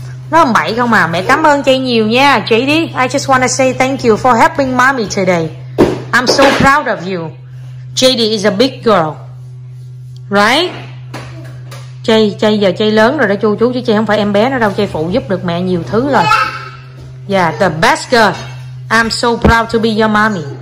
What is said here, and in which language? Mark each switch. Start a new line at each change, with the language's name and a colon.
Vietnamese: Nó không bậy không à, mẹ cảm ơn chay nhiều nha.
English: Chị đi, I just wanna say thank you for helping mommy today. I'm so proud of you. JD is a big girl. Right?
Vietnamese: Chay giờ chay lớn rồi đó chú. Chứ chay không phải em bé nữa đâu. Chay phụ giúp được mẹ nhiều thứ rồi.
English: Yeah, the best girl. I'm so proud to be your mommy.